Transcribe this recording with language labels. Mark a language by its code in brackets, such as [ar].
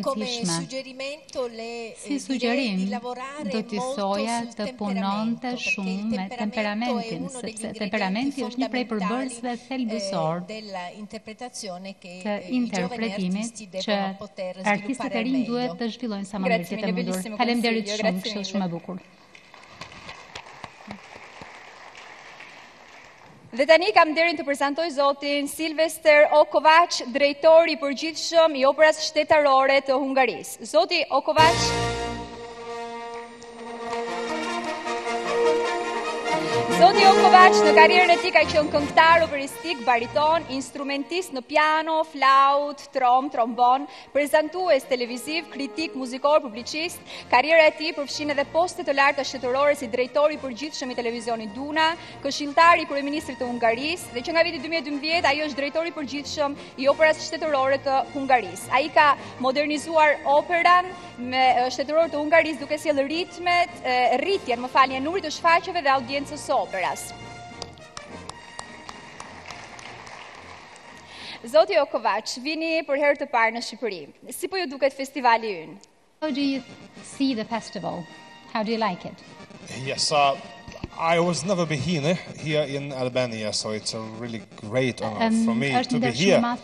[it] Come suggerimento le direi di lavorare molto sul temperamento, perché il temperamento è uno degli ingredienti fondamentali dell'interpretazione che i giovani artisti devono poter sviluppare meglio. [sq] Të zhvillojnë sa më mirë jetën e mundur. Faleminderit shumë, kështu është shumë e bukur. Dhe tani kam derin të prezantoj zotin Silvester Okovac, drejtori përgjithshëm i Operas Shtetarore të Hungarisë. Zoti Okovac. Zoti Okovac. Zoti Jon Kovac, në karierën e tij ka qenë këngëtar, operistik, bariton, instrumentist në piano, flaut, trom, trombon, prezantues televiziv, kritik muzikor, publicist. Karriera e tij përfshin edhe postet e larta shtetërore si drejtori I përgjithshëm I televizionit Duna, këshilltar I kryeministrit të Hungarisë dhe që nga viti 2012 ai është drejtori I përgjithshëm I operas shtetërore të Hungarisë. Ai ka modernizuar operan me shtetëror të Hungarisë duke sjellë ritmet, rritjen, më falni, numrit të shfaqeve dhe audiencës operas. Zoti Jon Kovac, vini për herë të parë në Shqipëri. Si po ju duket festivali ynë? [en] How do you see the festival? How do you like it? Yes, I was never been here in Albania, so it's a really great honor for me to be here.